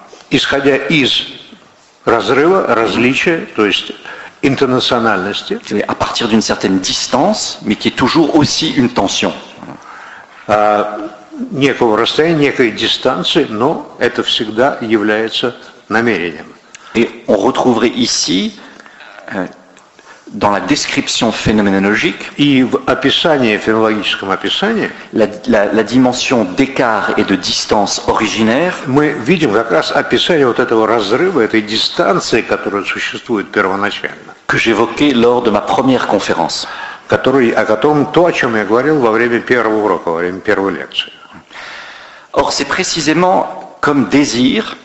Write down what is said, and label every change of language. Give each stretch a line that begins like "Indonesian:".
Russian: Исходя из разрыва, различия, то есть интернациональности.
French: À partir d'une certaine distance, mais qui est toujours aussi une tension.
Russian: Некого расстояния, некой дистанции, но это всегда является намерением.
French: Et on retrouverait ici, dans la description phénoménologique,
Russian: и в описании, феноменологическом описании,
French: la dimension d'écart et de distance originaire,
Russian: мы видим как раз описание вот этого разрыва, этой дистанции, которая существует первоначально,
French: que j'évoquais lors de ma première conférence,
Russian: о чем я говорил во время первого урока, во время первой лекции.
French: Or, c'est précisément comme désir,